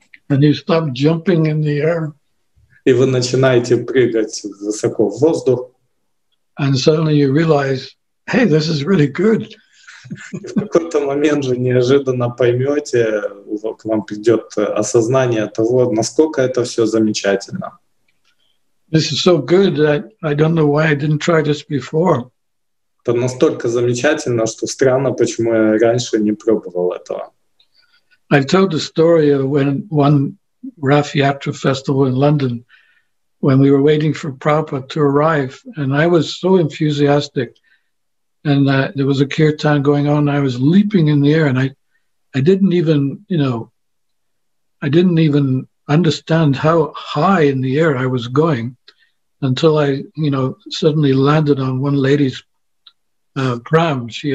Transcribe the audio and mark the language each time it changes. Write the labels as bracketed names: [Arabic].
[English] And you stop jumping in the air. [Russian] И вы начинаете прыгать высоко в воздух. [English] And suddenly you realize, hey, this is really good. [Russian] И в какой-то момент же неожиданно поймете, к вам придет осознание того, насколько это все замечательно. [English] This is so good that I don't know why I didn't try this before. [Russian] Это настолько замечательно, что странно, почему я раньше не пробовал этого. [English] I've told the story of when one Rath Yatra festival in London, when we were waiting for Prabhupada to arrive, and I was so enthusiastic, and there was a kirtan going on, I was leaping in the air, and I didn't even understand how high in the air I was going until I, you know, suddenly landed on one lady's pram.